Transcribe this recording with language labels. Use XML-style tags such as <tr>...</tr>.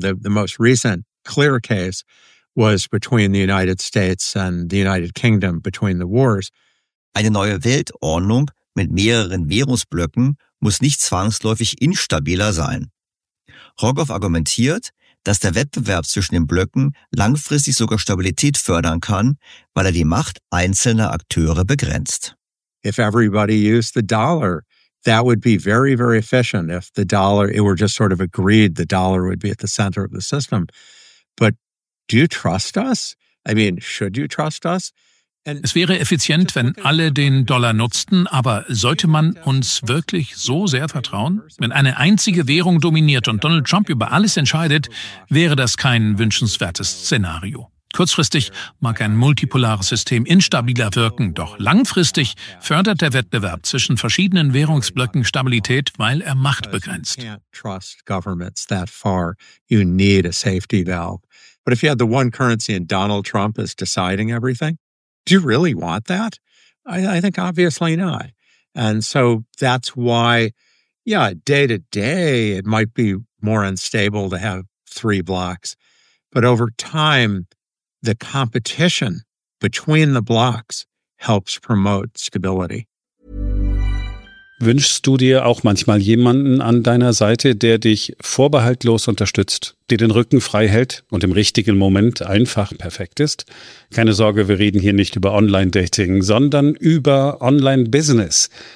<en>The most recent clear case was between the United States and the United Kingdom between the wars.</en> <de>Eine neue Weltordnung mit mehreren Währungsblöcken muss nicht zwangsläufig instabiler sein. Rogoff argumentiert, dass der Wettbewerb zwischen den Blöcken langfristig sogar Stabilität fördern kann, weil er die Macht einzelner Akteure begrenzt.</de> <en>If everybody used the dollar, that would be very, very efficient. If the dollar, it were just sort of agreed, the dollar would be at the center of the system. But do you trust us? I mean, should you trust us?</en> <de>Es wäre effizient, wenn alle den Dollar nutzten, aber sollte man uns wirklich so sehr vertrauen? Wenn eine einzige Währung dominiert und Donald Trump über alles entscheidet, wäre das kein wünschenswertes Szenario. Kurzfristig mag ein multipolares System instabiler wirken, doch langfristig fördert der Wettbewerb zwischen verschiedenen Währungsblöcken Stabilität, weil er Macht begrenzt.</de> <en>You can't trust governments that far. You need a safety valve. But if you had the one currency and Donald Trump is deciding everything, do you really want that? I think obviously not. And so that's why, yeah, day to day, it might be more unstable to have three blocks. But over time, the competition between the blocks helps promote stability.</en> <de>Wünschst du dir auch manchmal jemanden an deiner Seite, der dich vorbehaltlos unterstützt, dir den Rücken frei hält und im richtigen Moment einfach perfekt ist? Keine Sorge, wir reden hier nicht über Online-Dating, sondern über Online-Business.</de>